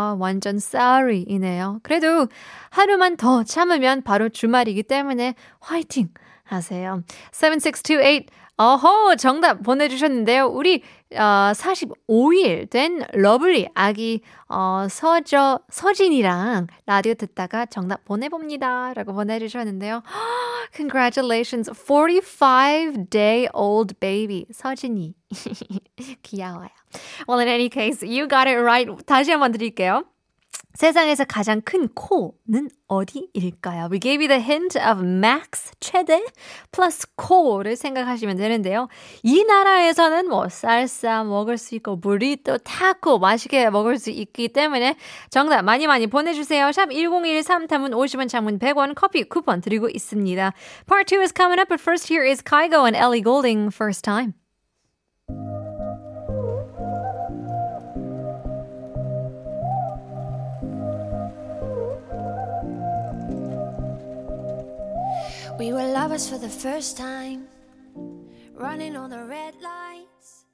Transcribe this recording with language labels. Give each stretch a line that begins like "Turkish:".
Korean: 완전 sorry이네요. 그래도 하루만 더 참으면 바로 주말이기 때문에 화이팅 하세요. 7628. 어허, 정답 보내주셨는데요. 우리 45일 된 러블리 아기 서진이랑 라디오 듣다가 정답 보내봅니다 라고 보내주셨는데요.
English: Congratulations, 45-day-old baby 서진이.
Korean: 귀여워요.
English: Well, in any case, you got it right.
Korean: 다시 한번 드릴게요. 세상에서 가장 큰 코는 어디일까요?
English: We gave you the hint of max, 최대, plus
Korean: 코를 생각하시면 되는데요. 이 나라에서는 뭐 살사 먹을 수 있고 부리또, 타코 맛있게 먹을 수 있기 때문에 정답 많이 많이 보내주세요. 샵 1013, 담은 50원, 장문 100원, 커피 쿠폰 드리고 있습니다.
English: Part 2 is coming up, but first here is Kygo and Ellie Goulding, first time. We were lovers for the first time, running on the red lights.